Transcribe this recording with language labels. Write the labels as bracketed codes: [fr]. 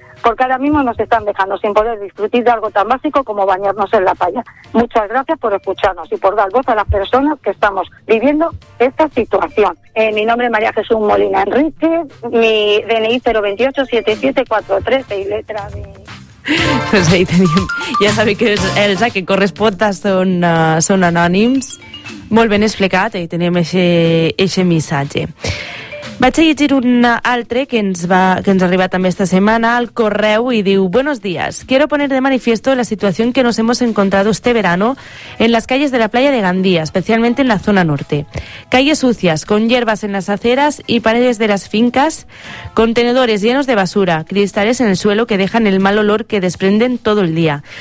[es] Porque ahora mismo nos están dejando sin poder disfrutar de algo tan básico como bañarnos en la playa. Muchas gracias por escucharnos y por dar voz a las personas que estamos viviendo esta situación. Mi nombre es María Jesús Molina Enrique, mi DNI 028-77413 y letra de... Pues ahí [ca] tenim. Ja sabeu que els que [es] corresponden [ca] són anònims. Molt ben explicat, ahí tenim aquest missatge. Vaig a llegir un altre que ens ha arribat també esta setmana al correu i diu: [es] Buenos días, quiero poner de manifiesto la situación que nos hemos encontrado este verano en las calles de la playa de Gandía, especialmente en la zona norte. Calles sucias, con hierbas en las aceras y paredes de las fincas, contenedores llenos de basura, cristales en el suelo que dejan el mal olor que desprenden todo el día.